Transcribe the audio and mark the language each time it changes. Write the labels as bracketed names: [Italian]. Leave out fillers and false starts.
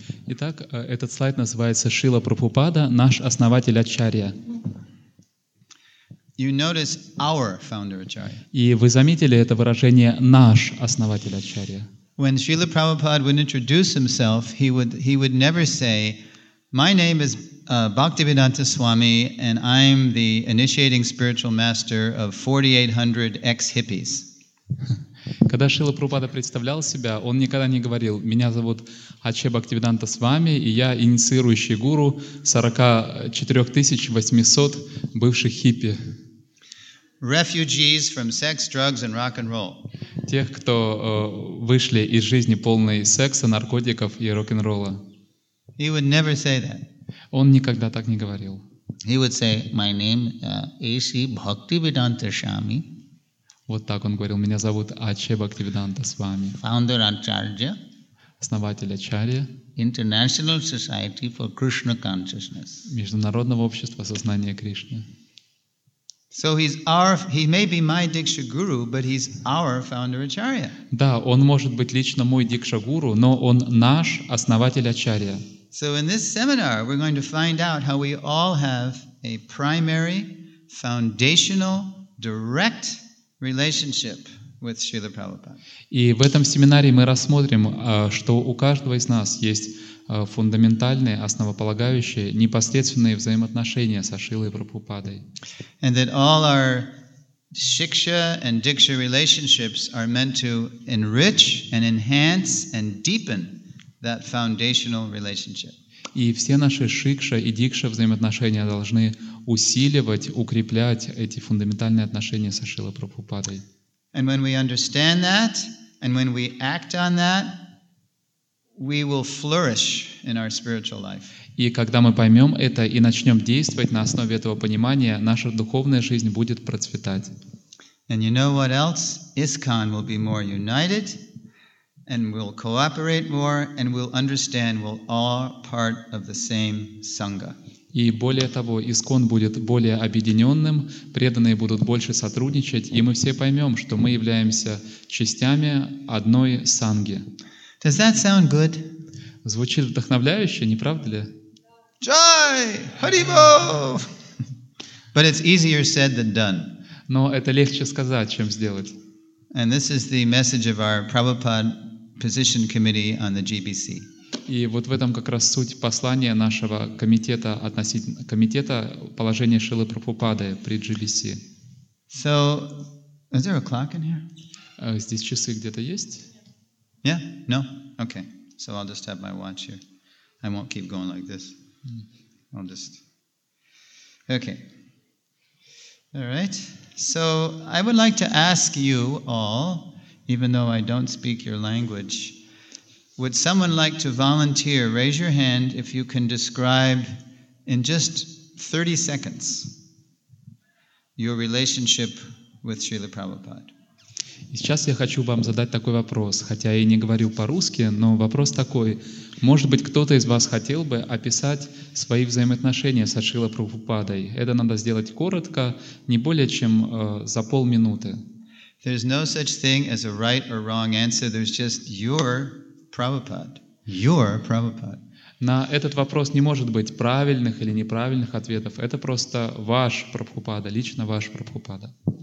[Russian] Итак, этот слайд называется Шрила Прабхупада, наш основатель Ачарья. [English] You notice our founder Acharya. [Russian] И вы заметили это выражение наш основатель Ачарья. [English] When Srila Prabhupada would introduce himself, he would never say, "My name is Bhaktivedanta Swami, and I'm the initiating spiritual master of 4,800 ex-hippies." [Russian] Когда Шрила Прабхупада представлял себя, он никогда не говорил: "Меня зовут Ачхе Бхактивиданта Свами, и я инициирующий гуру 44,800 бывших хиппи." [English] Refugees from sex, drugs, and rock and roll. [Russian] Тех, кто вышли из жизни полной секса, наркотиков и рок-н-ролла. [English] He would never say that. [Russian] Он никогда так не говорил. [English] He would say, "My name is Bhaktivedanta Swami." [Russian] Вот так он говорил: "Меня зовут Ачхе Бхактивиданта Свами." [English] Founder Acharya. [Russian] Основатель Ачарья. [English] International Society for Krishna Consciousness. [Russian] Международного общества сознания Кришны. [English] So he may be my Diksha Guru, but he's our founder Acharya. [Russian] Да, он может быть лично мой Дикша Гуру, но он наш основатель Ачарья. [English] So in this seminar, we're going to find out how we all have a primary, foundational, direct relationship with Srila Prabhupada. [Russian] И в этом семинаре мы рассмотрим, что у каждого из нас есть фундаментальные, основополагающие, непосредственные взаимоотношения со Шрилой Прабхупадой. [English] And that all our shiksha and diksha relationships are meant to enrich and enhance and deepen that foundational relationship. [Russian] И все наши шикша и дикша взаимоотношения должны усиливать, укреплять эти фундаментальные отношения со Шрилой Прабхупадой. [English] And when we understand that, and when we act on that, we will flourish in our spiritual life. [Russian] И когда мы поймем это и начнем действовать на основе этого понимания, наша духовная жизнь будет процветать. [English] And you know what else? ISKCON will be more united, and we'll cooperate more, and we'll understand we're all part of the same sangha. [Russian] И более того, ИСККОН будет более объединенным, преданные будут больше сотрудничать, и мы все поймем, что мы являемся частями одной сангхи. [English] Does that sound good? [Russian] Звучит вдохновляюще, не правда ли? Jai! Hari Bol! [English] But it's easier said than done. [Russian] Но это легче сказать, чем сделать. [English] And this is the message of our Prabhupada Position Committee on the GBC. [Russian] И вот в этом как раз суть послания нашего комитета относительно комитета положения Шрилы Прабхупады при GBC. [English] So, is there a clock in here? [Russian] Здесь часы где-то есть? [English] Yeah, no. Okay. So I'll just have my watch here. I won't keep going like this. I'll just. Okay. All right. So I would like to ask you all, even though I don't speak your language. Would someone like to volunteer? Raise your hand if you can describe in just 30 seconds your relationship with Srila Prabhupada. [Russian] Сейчас я хочу вам задать такой вопрос, хотя я и не говорю по-русски, но вопрос такой. Может быть, кто-то из вас хотел бы описать свои взаимоотношения со Шрилой Прабхупадой? Это надо сделать коротко, не более чем за полминуты. [English] There's no such thing as a right or wrong answer. There's just your Prabhupada. Your Prabhupada. [Russian] На этот вопрос не может быть правильных или неправильных ответов. Это просто ваш Прабхупада, лично ваш Прабхупада.